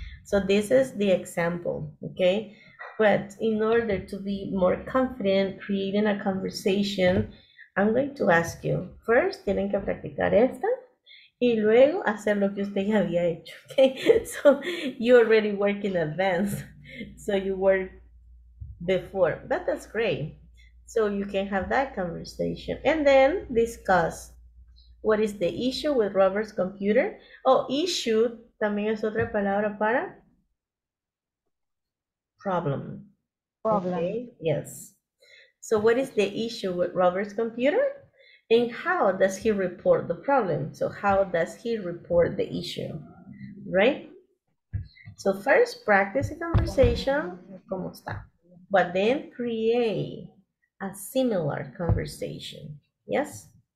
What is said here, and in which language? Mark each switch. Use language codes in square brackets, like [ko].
[en] So this is the example, okay? But in order to be more confident creating a conversation, I'm going to ask you, first, [es] tienen que practicar esta, y luego hacer lo que usted ya había hecho, [en] okay? So, you already work in advance, so you work before, but that's great. So, you can have that conversation, and then discuss what is the issue with Robert's computer. [es] Oh, issue, también es otra palabra para problem. [en] Problem. Okay? Yes. So what is the issue with Robert's computer? And how does he report the problem? So how does he report the issue, right? So first practice a conversation, [es] ¿cómo está? [en] But then create a similar conversation, yes?